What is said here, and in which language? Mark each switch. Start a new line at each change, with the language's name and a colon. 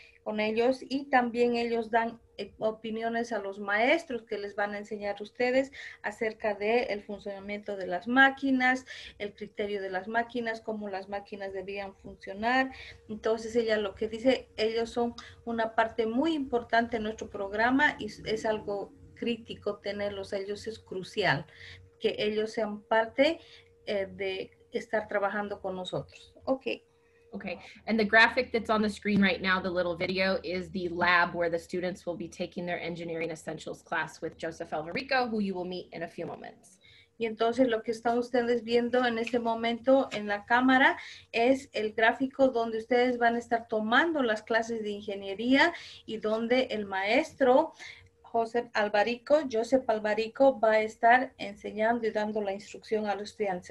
Spanish: con ellos y también ellos dan opiniones a los maestros que les van a enseñar a ustedes acerca del funcionamiento de las máquinas, el criterio de las máquinas, cómo las máquinas debían funcionar. Entonces ella lo que dice, ellos son una parte muy importante en nuestro programa y es algo crítico tenerlos, ellos es crucial que ellos sean parte de estar trabajando con nosotros.
English: Okay, and the graphic that's on the screen right now, the little video, is the lab where the students will be taking their engineering essentials class with Joseph Alvarico, who you will meet in a few moments.
Spanish: Y entonces lo que están ustedes viendo en este momento en la cámara es el gráfico donde ustedes van a estar tomando las clases de ingeniería y donde el maestro Joseph Alvarico va a estar enseñando y dando la instrucción a los estudiantes.